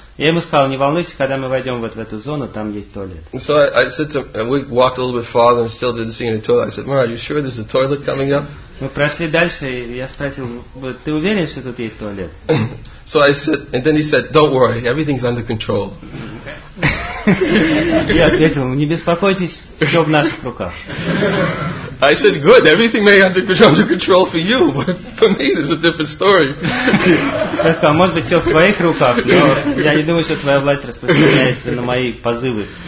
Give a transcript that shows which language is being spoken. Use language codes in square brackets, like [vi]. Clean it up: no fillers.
[ru] Я ему сказал, не волнуйтесь, когда мы войдем в эту зону, там есть туалет. [en] So I said to him, and we walked a little bit farther and still didn't see any toilet. I said, Maharaj, are you sure there's a toilet coming up? [ru] Мы прошли дальше, и я спросил: ты уверен, что тут есть туалет? [en] So I said, and then he said, don't worry, everything's under control. [ru] Я ответил: не беспокойтесь, все в наших руках. [en] I said, good, everything may be under control for you, but for me this is a different story. [ru] Я сказал: может быть, все в твоих руках, но я не думаю, что твоя власть распространяется на мои позывы.